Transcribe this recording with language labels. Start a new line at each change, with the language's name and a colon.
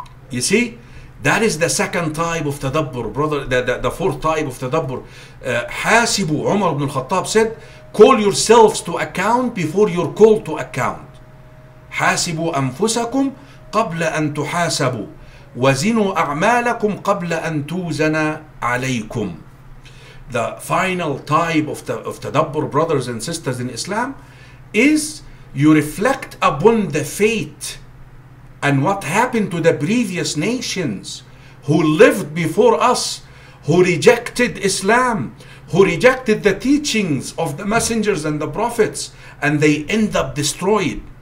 English: You see, that is the second type of tadabbur, brother, the fourth type of tadabbur. Hasibu, Umar ibn al-Khattab said, call yourselves to account before you're called to account.
Arabic: Hasibu anfusakum qabla an tuhasabu. وزنوا أعمالكم قبل أن توزن عليكم.
English: The final type of the of tadabbur, brothers and sisters in Islam, is you reflect upon the fate and what happened to the previous nations who lived before us, who rejected Islam, who rejected the teachings of the messengers and the prophets, and they end up destroyed.